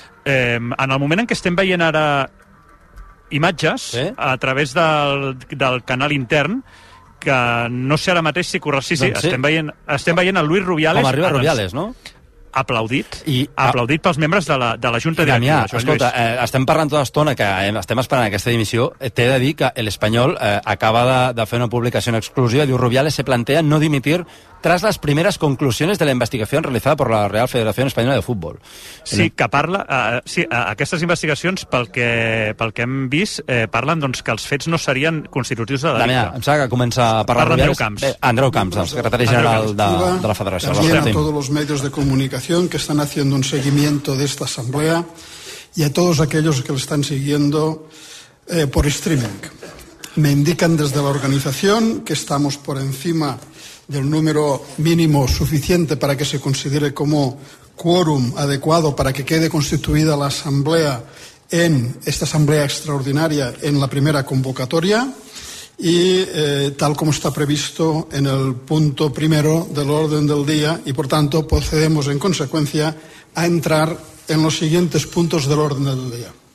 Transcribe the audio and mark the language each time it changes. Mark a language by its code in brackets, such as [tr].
[ca] En el moment en què estem veient ara imatges, a través del canal intern, que no sé ara mateix si corre... Sí, doncs sí. Estem veient el Luis Rubiales. Com arriba Rubiales, no? Aplaudit pels membres de la Junta Directiva. Damià, escolta, estem parlant tota l'estona que estem esperant aquesta dimissió. T'he de dir que l'Espanyol acaba de fer una publicació en exclusiva. Diu: [es] Rubiales se plantea no dimitir tras las primeras conclusiones de la investigación realizada por la Real Federación Española de Fútbol. [ca] Sí, que parla... aquestes investigacions, pel que hem vist, parlen doncs, que els fets no serien constitutius de delicte. Damià, em sap que comença a parlar Rubiales. Andreu Camps. Andreu Camps, el secretari general de la Federació. [es] También a todos los medios de comunicación que están haciendo un seguimiento de esta asamblea y a todos aquellos que lo están siguiendo por streaming. Me indican desde la organización que estamos por encima del número mínimo suficiente para que se considere como quórum adecuado para que quede constituida la asamblea en esta asamblea extraordinaria en la primera convocatoria y tal como está previsto en el punto primero del orden del día y por tanto procedemos en consecuencia a entrar en los siguientes puntos del orden del día.